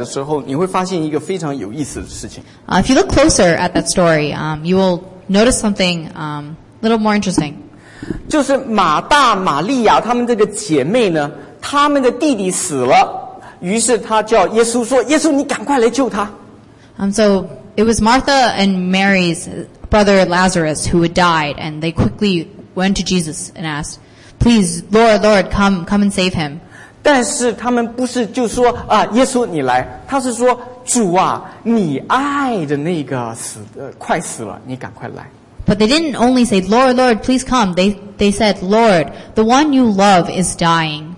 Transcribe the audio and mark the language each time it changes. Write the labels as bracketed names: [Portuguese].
[Chinese] 如果大家仔细看这个约翰福音在那一段的记载的时候，你会发现一个非常有意思的事情。 [English] If you look closer at that story, you will notice something a little more interesting. [Chinese] 就是马大、玛利亚他们这个姐妹呢，他们的弟弟死了，于是他叫耶稣说：“耶稣，你赶快来救他。” [English] So it was Martha and Mary's brother Lazarus who had died, and they quickly went to Jesus and asked, "Please, Lord, Lord, come and save him." [Chinese] 但是他们不是就说啊，耶稣你来，他是说主啊，你爱的那个死，快死了，你赶快来。 [English] But they didn't only say, Lord, Lord, please come. They said, Lord, the one you love is dying.